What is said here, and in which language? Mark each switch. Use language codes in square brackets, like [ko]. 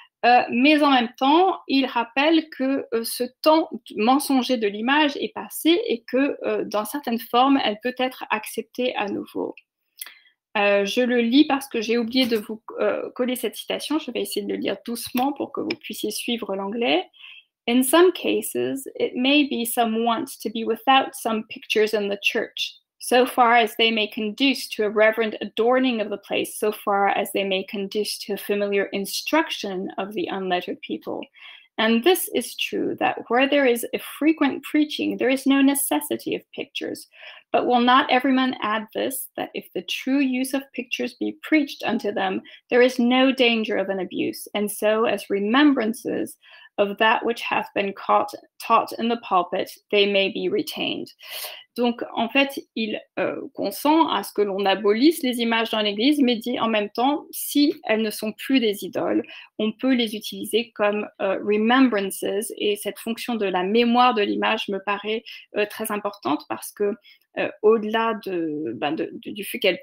[fr] Mais en même temps, il rappelle que ce temps mensonger de l'image est passé et que dans certaines formes, elle peut être acceptée à nouveau. Je le lis parce que j'ai oublié de vous coller cette citation. Je vais essayer de le lire doucement pour que vous puissiez suivre l'anglais. [en] In some cases, it may be some want to be without some pictures in the church, so far as they may conduce to a reverent adorning of the place, so far as they may conduce to a familiar instruction of the unlettered people. And this is true, that where there is a frequent preaching, there is no necessity of pictures. But will not every man add this, that if the true use of pictures be preached unto them, there is no danger of an abuse, and so as remembrances of that which hath been taught in the pulpit, they may be retained. [fr] Donc, en fait, il consent à ce que l'on abolisse les images dans l'Église, mais dit en même temps, si elles ne sont plus des idoles, on peut les utiliser comme remembrances, et cette fonction de la mémoire de l'image me paraît très importante, parce que au-delà du fait